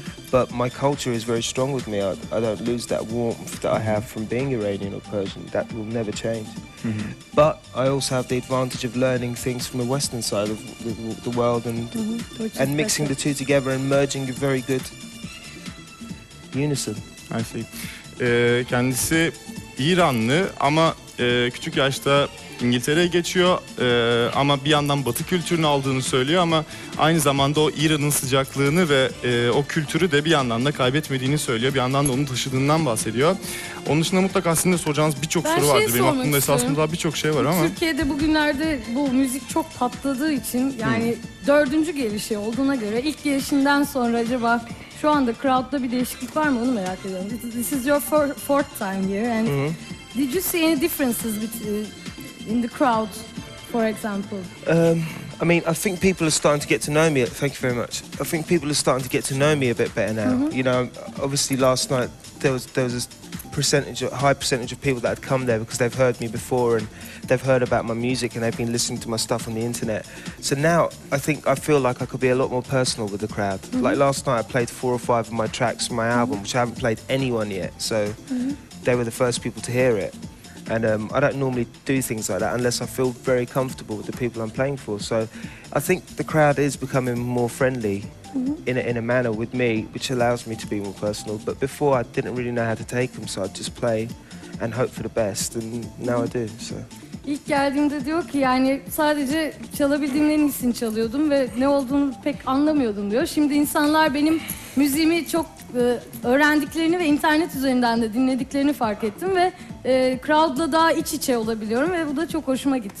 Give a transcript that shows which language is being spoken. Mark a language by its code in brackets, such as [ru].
[en] But my culture is very strong with me. I don't lose that warmth that I have from being Iranian or Persian. That will never change. But I also have the advantage of learning things from the Western side of the world and mixing the two together and merging a very good unison. I see. [tr] Kendisi İranlı ama küçük yaşta İngiltere'ye geçiyor. Ama bir yandan Batı kültürünü aldığını söylüyor ama aynı zamanda o İran'ın sıcaklığını ve o kültürü de bir yandan da kaybetmediğini söylüyor. Bir yandan da onu taşıdığından bahsediyor. Onun dışında mutlaka sizin de soracağınız birçok soru vardır. Benim aklımda esasında daha birçok şey var ama. Türkiye'de bugünlerde bu müzik çok patladığı için yani dördüncü gelişi olduğuna göre ilk gelişinden sonra acaba şu anda crowd'da bir değişiklik var mı, onu merak ediyorum. [en] This is your fourth time here and did you see any differences in the crowd, for example? I mean, I think people are starting to get to know me. Thank you very much. I think people are starting to get to know me a bit better now. Mm-hmm. You know, obviously last night there was a high percentage of people that had come there because they've heard me before and they've heard about my music and they've been listening to my stuff on the internet. So now I feel like I could be a lot more personal with the crowd. Mm-hmm. Like last night I played four or five of my tracks from my album, mm-hmm. which I haven't played anyone yet. So they were the first people to hear it. And I don't normally do things like that unless I feel very comfortable with the people I'm playing for. So I think the crowd is becoming more friendly in a manner with me, which allows me to be more personal. But before I didn't really know how to take them, so I'd just play and hope for the best. And now I do. So. [tr] İlk geldiğimde diyor ki yani sadece çalabildiğim en iyisini çalıyordum ve ne olduğunu pek anlamıyordum diyor. Şimdi insanlar benim müziğimi çok öğrendiklerini ve internet üzerinden de dinlediklerini fark ettim ve crowd'la daha iç içe olabiliyorum ve bu da çok hoşuma gitti.